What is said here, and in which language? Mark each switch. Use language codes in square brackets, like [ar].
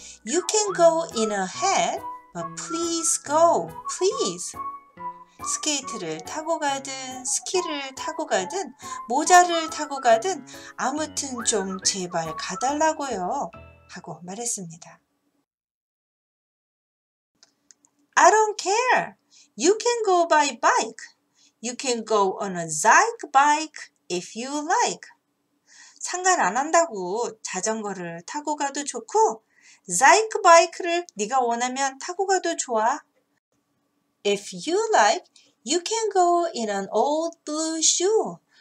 [en] You can go in a hat, but please go, please. [ko] 스케이트를 타고 가든 스키를 타고 가든 모자를 타고 가든 아무튼 좀 제발 가달라고요. 하고 말했습니다. [en] I don't care. You can go by bike. You can go on a zig bike if you like. [ko] 상관 안 한다고 자전거를 타고 가도 좋고 zig bike를 네가 원하면 타고 가도 좋아. [en] If you like, you can go in an old blue shoe.